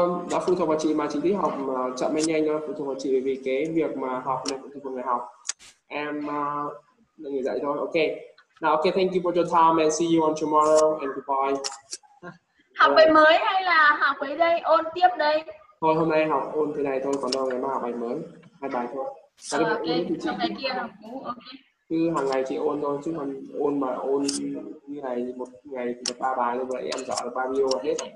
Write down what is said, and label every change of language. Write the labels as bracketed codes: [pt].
[vi] Nó phụ thuộc vào chị mà chị thích học chậm hay nhanh thôi, phụ thuộc vào chị vì cái việc mà học này phụ thuộc vào người học. Em là người dạy thôi. Okay. [en] Now okay, thank you for your time and see you on tomorrow and goodbye. [vi] Học bài mới hay là học ở đây ôn tiếp đây? Thôi hôm nay học ôn thế này thôi, còn đâu ngày mai học bài mới, hai bài thôi. Okay. Trong ngày kia học cũ. Okay. Cứ hàng ngày chị ôn thôi, chứ còn ôn mà ôn như này một ngày thì được ba bài luôn vậy, em giỏi được bao nhiêu hết.